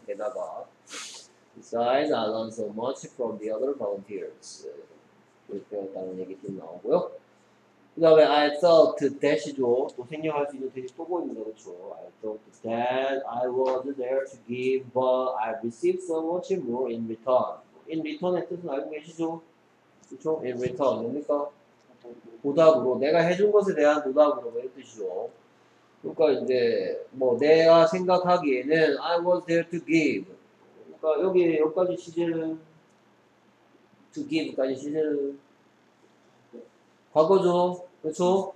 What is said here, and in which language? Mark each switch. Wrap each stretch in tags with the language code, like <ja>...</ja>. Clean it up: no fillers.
<en>게다가 besides, I learned so much from the other volunteers.</en> <ko>우리 배웠다는 얘기 좀 나오고요.</ko> <en>그 다음에 I thought that이죠.</en> <ko>또 생략할 수 있는 대신 또 보입니다.</ko> <en>그렇죠? I thought that I was there to give but I received so much more in return.</en> <ko>In return 의 뜻은 알고 계시죠? 그쵸? In return, 뭡니까? 보답으로, 내가 해준 것에 대한 보답으로 이런 뜻이죠. 그러니까 이제 뭐 내가 생각하기에는 I was there to give. 그러니까 여기 여기까지 시제는 to give까지 시제는 과거죠. 그쵸?</ko>